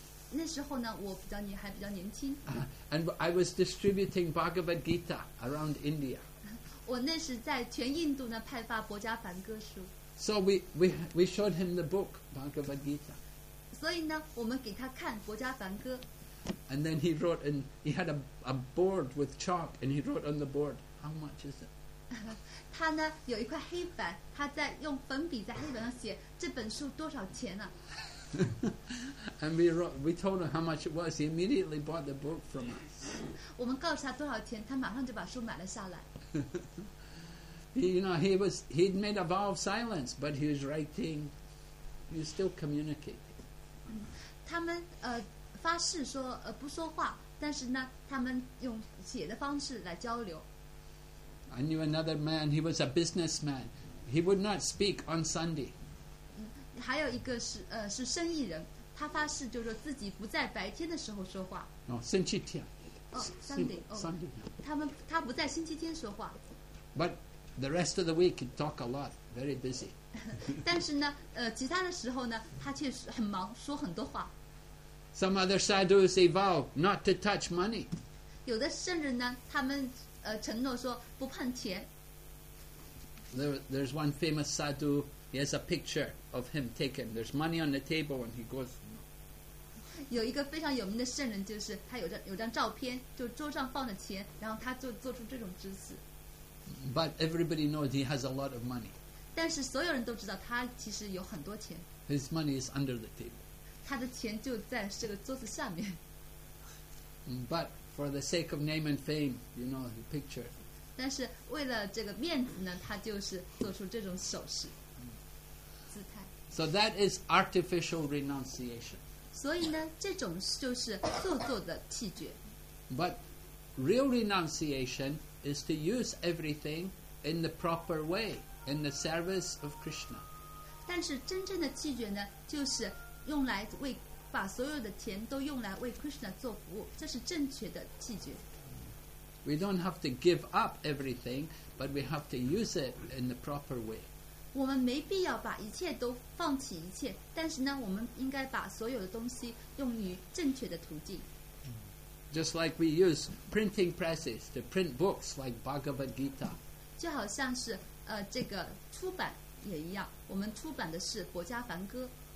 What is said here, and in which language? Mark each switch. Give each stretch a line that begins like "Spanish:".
Chinese: 那时候呢，我还比较年轻。
English: And I was distributing Bhagavad Gita around India.
Chinese: 我那时在全印度呢派发《博迦梵歌书》。
English: So we showed him the book, Bhagavad Gita.
Chinese: 所以呢，我们给他看《国家梵歌》。
English: And then he wrote, and he had a board with chalk, and he wrote on the board, "How much is it?"
Chinese: 他呢有一块黑板，他在用粉笔在黑板上写这本书多少钱啊。
English: And we told him how much it was. He immediately bought the book from us.
Chinese: 我们告诉他多少钱，他马上就把书买了下来。
English: You know, he'd made a vow of silence, but he was writing. He was still communicating.
Chinese: 他们发誓说不说话，但是呢，他们用写的方式来交流。
English: I knew another man. He was a businessman. He would not speak on Sunday.
Chinese: 还有一个是生意人，他发誓就是自己不在白天的时候说话。哦，星期天。
English: 哦 ，Sunday。 Sunday。
Chinese: 他不在星期天说话。
English: But the rest of the week, he talk a lot. Very busy.
Chinese: 但是呢，其他的时候呢，他却很忙，说很多话。
English: Some other sadhus vow not to touch money.
Chinese: 有的圣人呢，他们承诺说不碰钱。
English: There's one famous sadhu. He has a picture of him taken. There's money on the table, and he goes.
Chinese: 有一个非常有名的圣人，就是他有张照片，就桌上放着钱，然后他就做出这种姿势。
English: But everybody knows he has a lot of money.
Chinese: 但是所有人都知道他其实有很多钱。
English: His money is under the table.
Chinese: 他的钱就在这个桌子下面。
English: But for the sake of name and fame, you know, he pictured.
Chinese: 但是为了这个面子呢，他就是做出这种手势，姿态。
English: So that is artificial renunciation.
Chinese: 所以呢，这种就是做作的弃绝。
English: But real renunciation is to use everything in the proper way, in the service of Krishna.
Chinese: 但是真正的弃绝呢，就是用来为把所有的钱都用来为 Krishna 做服务，这是正确的弃绝。
English: We don't have to give up everything, but we have to use it in the proper way.
Chinese: 我们没必要把一切都放弃一切，但是呢，我们应该把所有的东西用于正确的途径。
English: Just like we use printing presses to print books like Bhagavad Gita.
Chinese: 就好像是这个出版也一样，我们出版的是《国家梵歌》。